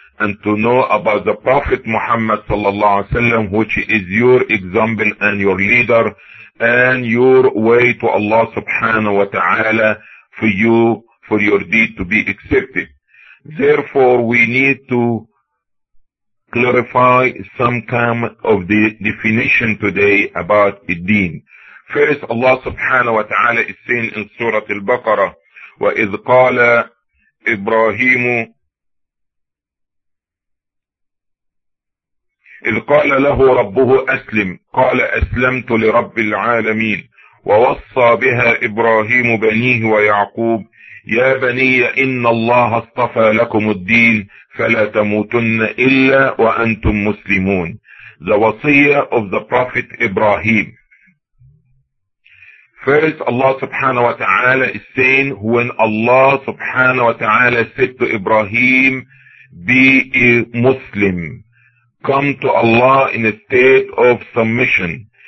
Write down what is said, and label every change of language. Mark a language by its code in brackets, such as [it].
[en] And to know about the Prophet Muhammad sallallahu alaihi wasallam, which is your example and your leader, and your way to Allah subhanahu wa ta'ala for you, for your deed to be accepted. Therefore, we need to clarify some kind of the definition today about the deen. First, Allah subhanahu wa ta'ala is saying in Surah Al-Baqarah, [ar] وَإِذْ قَالَ إِبْرَاهِيمُ إذ قال له ربه أسلم قال أسلمت لرب العالمين ووصى بها إبراهيم بنيه ويعقوب يا بني إن الله اصطفى لكم الدين فلا تموتن إلا وأنتم مسلمون. [en] The wasiyah of the Prophet Ibrahim. First, Allah subhanahu wa ta'ala is saying, when Allah subhanahu wa ta'ala said to Ibrahim, be a Muslim, come to Allah in a state of submission.